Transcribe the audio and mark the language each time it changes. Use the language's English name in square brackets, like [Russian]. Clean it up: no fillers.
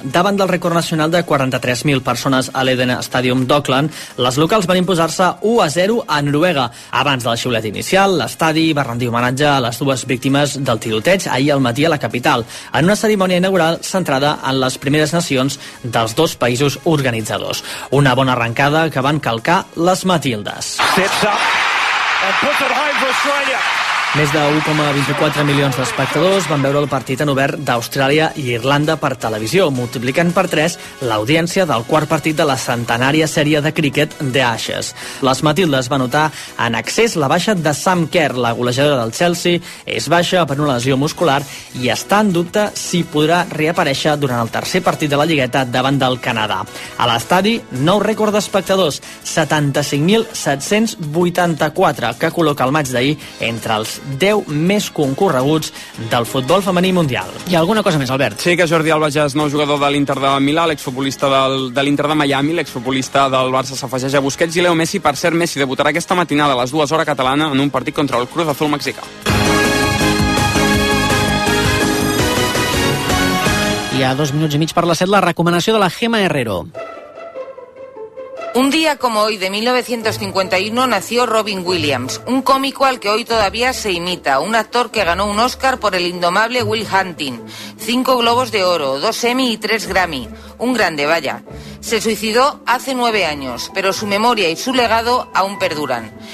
[Catalan] Davant del rècord nacional de 43.000 persones a l'Eden Stadium d'Auckland, les locals van imposar-se 1-0 a Noruega. Abans del xiulet inicial, l'estadi va rendir homenatge a les dues víctimes del tiroteig ahir al matí a la capital, en una cerimònia inaugural centrada en les primeres nacions dels dos països organitzadors. Una bona arrencada que van calcar les Matildes. [English] Sets up and puts it high for Australia. [Catalan] Més de 1,24 milions d'espectadors van veure el partit en obert d'Austràlia i Irlanda per televisió, multiplicant per 3 l'audiència del quart partit de la centenària sèrie de cricket The Ashes. Les Matildes van notar en excés la baixa de Sam Kerr, la golejadora del Chelsea, és baixa per una lesió muscular i està en dubte si podrà reaparèixer durant el tercer partit de la lligueta davant del Canadà. A l'estadi, nou rècord d'espectadors, 75.784, que col·loca el maig d'ahir entre els 10 més concorreguts del futbol femení mundial. Hi ha alguna cosa més, Albert? Sí, que Jordi Alba ja és nou jugador de l'Inter de Milà, l'exfutbolista de l'Inter de Miami, l'exfutbolista del Barça s'afegeix a Busquets i Leo Messi. Per cert, Messi debutarà aquesta matinada a les 2 hores catalana en un partit contra el Cruz Azul mexicà. Hi ha 2:30 per les 7, la recomanació de la Gemma Herrero. [Spanish] Un día como hoy de 1951 nació Robin Williams, un cómico al que hoy todavía se imita, un actor que ganó un Oscar por el indomable Will Hunting, 5 Globos de Oro, 2 Emmy y 3 Grammy, un grande vaya. Se suicidó hace 9 años, pero su memoria y su legado aún perduran.